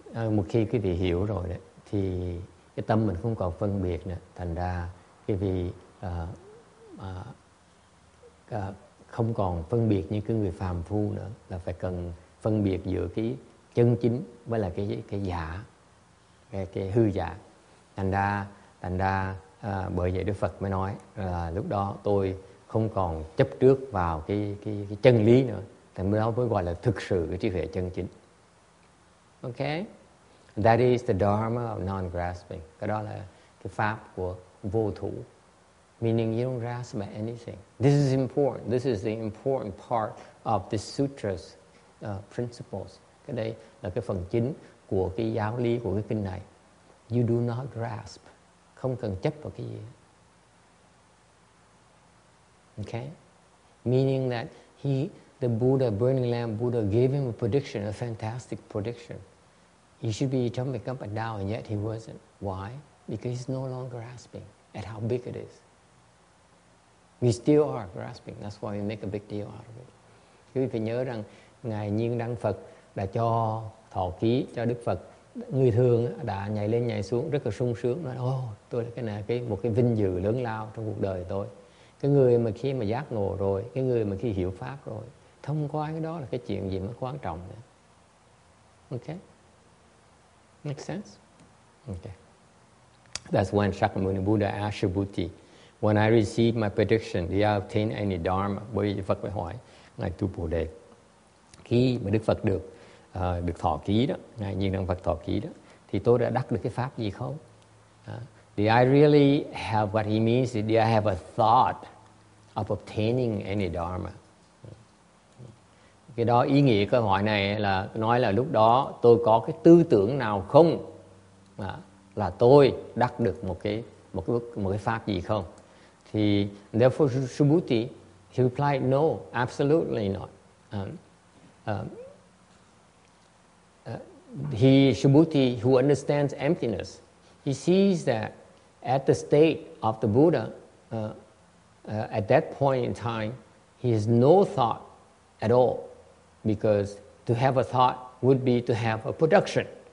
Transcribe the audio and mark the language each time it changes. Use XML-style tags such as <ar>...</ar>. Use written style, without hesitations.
<vi>Một khi quý vị hiểu rồi đấy, thì cái tâm mình không còn phân biệt nữa, thành ra quý vị không còn phân biệt như cái người phàm phu nữa, là phải cần phân biệt giữa cái chân chính với là cái giả, cái hư giả. Thành ra bởi vậy Đức Phật mới nói là lúc đó tôi không còn chấp trước vào cái chân lý nữa, thành ra mới gọi là thực sự cái trí huệ chân chính.</vi> <en>Okay, that is the dharma of non-grasping.</en> <vi>Cái đó là cái pháp của vô thủ.</vi> <en>Meaning you don't grasp at anything. This is important. This is the important part of the sutra's principles.</en> <vi>Cái đây là cái phần chính của cái giáo lý của cái kinh này.</vi> <en>You do not grasp.</en> <vi>Không cần chấp vào cái gì.</vi> <en>Okay, meaning that the Buddha, Burning Lamp Buddha, gave him a prediction, a fantastic prediction. He should be jumping up and down, and yet he wasn't. Why? Because he's no longer grasping at how big it is. We still are grasping. That's why we make a big deal out of it.</en> <vi>Quý vị phải nhớ rằng ngài Nhiên Đăng Phật đã cho thọ ký cho Đức Phật. Người thường đã nhảy lên nhảy xuống rất là sung sướng, nói: "Oh, tôi là cái này cái một cái vinh dự lớn lao trong cuộc đời tôi." Cái người mà khi mà giác ngộ rồi, cái người mà khi hiểu pháp rồi, thông qua cái đó là cái chuyện gì mới quan trọng nữa.</vi> <en>Okay? Make sense? Okay. That's when Shakyamuni Buddha asked Shibuti, when I receive my prediction, do you obtain any dharma?</en> <vi>Bởi vì Phật mới hỏi, Ngài Tu Bồ Đề. Khi mà Đức Phật được được thọ ký đó, Ngài Nhiên Đăng Phật thọ ký đó, thì tôi đã đắc được cái pháp gì không?</vi> <en>Do I really have what he means? Do I have a thought of obtaining any dharma?</en> <vi>Cái đó ý nghĩa câu hỏi này là nói là lúc đó tôi có cái tư tưởng nào không là tôi đắc được một cái pháp gì không?</vi> <en>Thì therefore Subhuti, he replied, no, absolutely not. He Subhuti, who understands emptiness, he sees that at the state of the Buddha, at that point in time, he has no thought at all, because to have a thought would be to have a production.</en>